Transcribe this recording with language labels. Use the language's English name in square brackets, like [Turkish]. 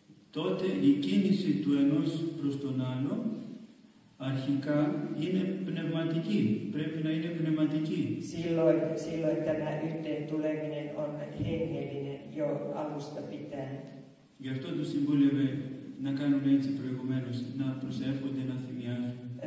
[Greek] Τότε η κίνηση του ενός προς τον άλλο αρχικά είναι πνευματική, πρέπει να είναι πνευματική. [Finnish] Silloin tämä yhteen tuleminen on hengellinen jo alusta pitäen. [Greek] Γι' αυτό του συμβούλευε να κάνουν έτσι προηγουμένως, να προσεύχονται, να θυμιάζουν.